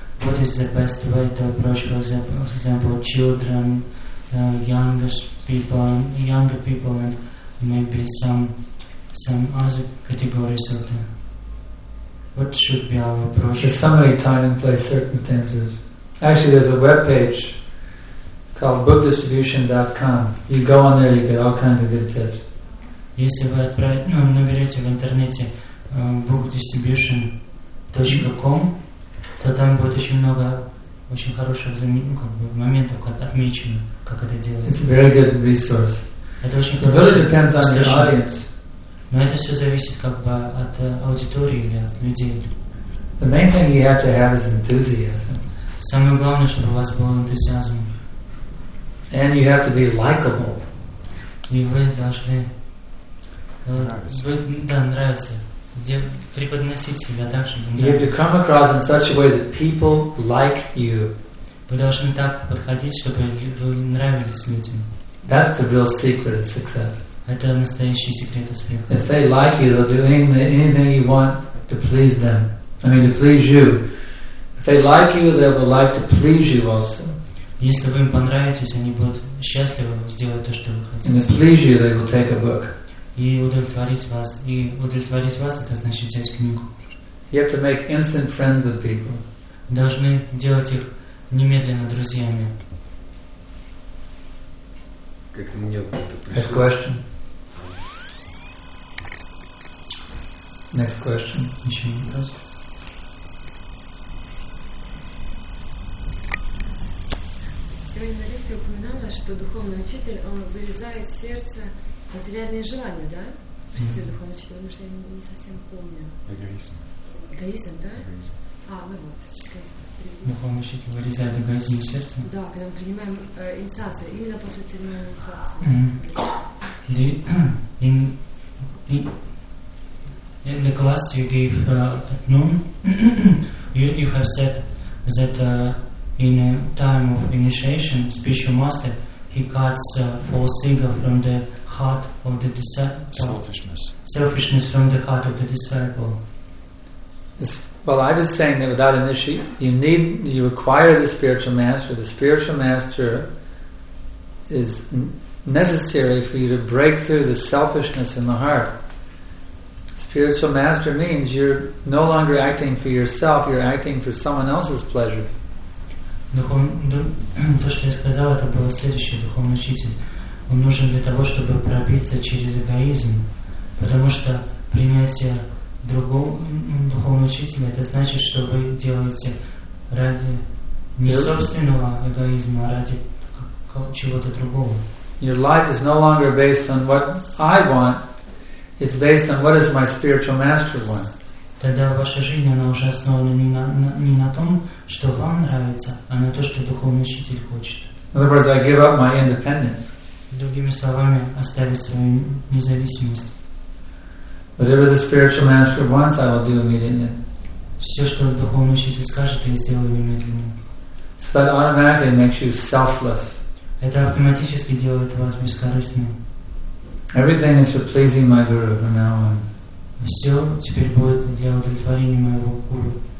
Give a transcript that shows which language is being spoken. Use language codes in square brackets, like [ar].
[en] What is the best way to approach, for example, children, younger people, and maybe some other categories of them? What should be our approach? The summary time and place circumstances. Actually, there's a web page called bookdistribution.com. You go on there, you get all kinds of good tips. [ru] Если вы наберете в интернете bookdistribution.com, то там будет очень много очень хороших моментов отмечено, как это делается. [en] It's a very good resource. [ru] Это очень хорошо. [en] It really depends on your audience. [ru] Но это все зависит как бы от аудитории или от людей. [en] The main thing you have to have is enthusiasm. [ru] Самое главное, чтобы у вас был энтузиазм. [en] And you have to be likable. [ru] И вы должны нравиться. Где преподносить себя так, чтобы [en] you have to come across in such a way that people like you. [ru] Вы должны так подходить, чтобы вы нравились людям. [en] That's the real secret of success. [ru] Это настоящий секрет успеха. [en] If they like you, they'll do anything you want to please them. I mean, to please you. If they like you, they will like to please you also. [ru] Если вы им понравитесь, они будут счастливы сделать то, что вы хотите. [en] And to please you, they will take a book. [ru] И удовлетворить вас, это значит взять книгу. [en] You have to make instant friends with people. [ru] Должны делать их немедленно друзьями. Как-то мне это пришло. [en] Question. Next question. [ru] Еще вопрос. Сегодня на лекции упоминалось, что духовный учитель, он вырезает в сердце материальные желания, да? Простите, духовный учитель, потому что я не совсем помню. Эгоизм. Эгоизм, да? Эгоизм. А, ну вот. Духовный учитель вырезает эгоизм из сердца? Да, когда мы принимаем инициацию, именно после церемонии инициации. [en] In the class you gave at noon, you have said that in a time of initiation, spiritual master, he cuts false ego from the heart of the disciple. Selfishness from the heart of the disciple. Well, I was saying that without initiation, you require the spiritual master. The spiritual master is necessary for you to break through the selfishness in the heart. Spiritual master means you're no longer acting for yourself, you're acting for someone else's pleasure. [ru] То, что я сказал, это было следующее, духовный учитель. Он нужен для того, чтобы пробиться через эгоизм. Потому что принятие другого духовного учителя, это значит, что вы делаете ради не собственного эгоизма, а ради чего-то другого. [en] Your life is no longer based on what I want. It's based on what is my spiritual master want. [ru] Тогда ваша жизнь, она уже основана не на том, что вам нравится, а на то, что духовный учитель хочет. [en] In other words, I give up my independence. [ru] Другими словами, оставить свою независимость. [en] Whatever the spiritual master wants, I will do immediately. [ru] Все, что духовный учитель скажет, я сделаю немедленно. [en] So that automatically makes you selfless. [ru] Это автоматически делает вас бескорыстным. [en] Everything is for pleasing my guru from now on. [ru] Все теперь будет для удовлетворения моего гуру.